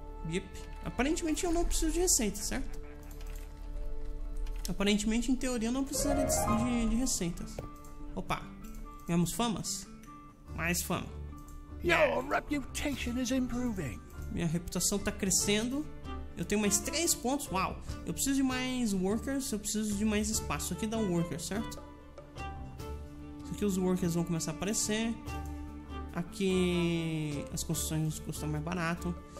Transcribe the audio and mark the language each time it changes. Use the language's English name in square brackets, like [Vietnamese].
[Portuguese] Yep. Aparentemente eu não preciso de receita, certo? Aparentemente, em teoria, eu não precisaria de receitas. Opa! Ganhamos famas? Mais fama. [English] Your reputation is improving. [Portuguese] Minha reputação tá crescendo. Eu tenho mais 3 pontos. Uau! Eu preciso de mais workers, eu preciso de mais espaço. Isso aqui dá um worker, certo? Isso aqui os workers vão começar a aparecer. Aqui as construções custam mais barato.